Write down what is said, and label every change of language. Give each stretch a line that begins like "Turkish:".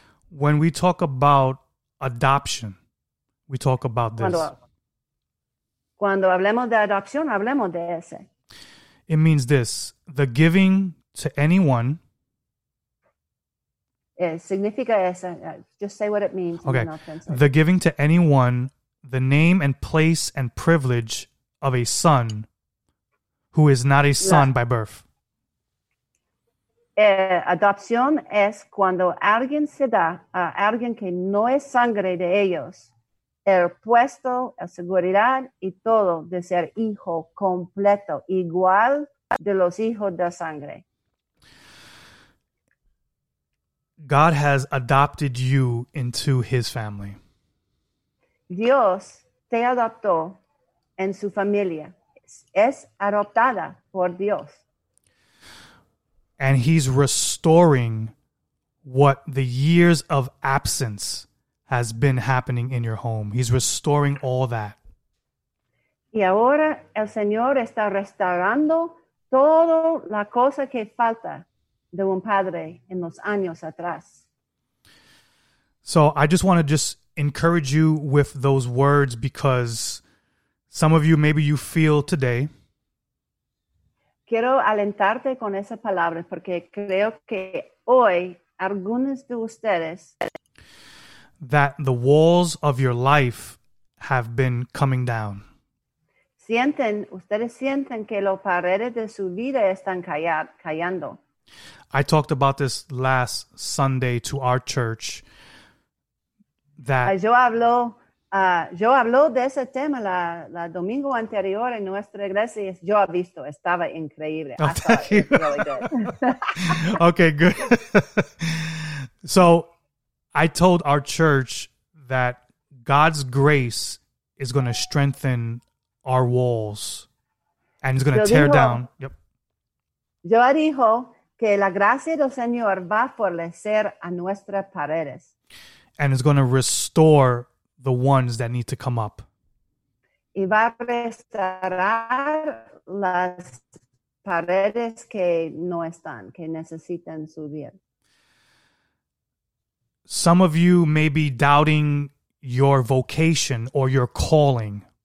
English: When we talk about adoption, we talk about this.
Spanish: Cuando hablemos de adopción, hablemos de ese.
English: It means this, the giving to anyone.
Spanish: Significa esa.
English: Just say what it means. Okay. The giving to anyone the name and place and privilege of a son who is not a son by birth.
Spanish: Adopción es cuando alguien se da a alguien que no es sangre de ellos el puesto, la seguridad y todo de ser hijo completo, igual de los hijos de sangre.
English: God has adopted you into his family.
Spanish: Dios te adoptó en su familia. Es adoptada por Dios.
English: And he's restoring what the years of absence has been happening in your home. He's restoring all that.
Spanish: Y ahora el Señor está restaurando toda la cosa que falta de un padre en los años atrás.
English: So I just want to just encourage you with those words because some of you, maybe you feel today.
Spanish: Quiero alentarte con esa palabra porque creo que hoy algunos de ustedes
English: that the walls of your life have been coming down.
Spanish: Sienten, ustedes sienten que las paredes de su vida están cayendo.
English: I talked about this last Sunday to our church.
Spanish: Yo hablo de ese tema la domingo anterior en nuestra iglesia. Yo he visto, estaba increíble.
English: Oh, thank you. Really good. Okay, good. So, I told our church that God's grace is going to strengthen our walls and it's going to tear down. Yep.
Spanish: Yo dijo que la gracia del Señor va a fortalecer a nuestras paredes.
English: And it's going to restore the ones that need to come up.
Spanish: Y va a restaurar las paredes que no están, que necesitan subir.
English: Some of you may be doubting your vocation or your calling.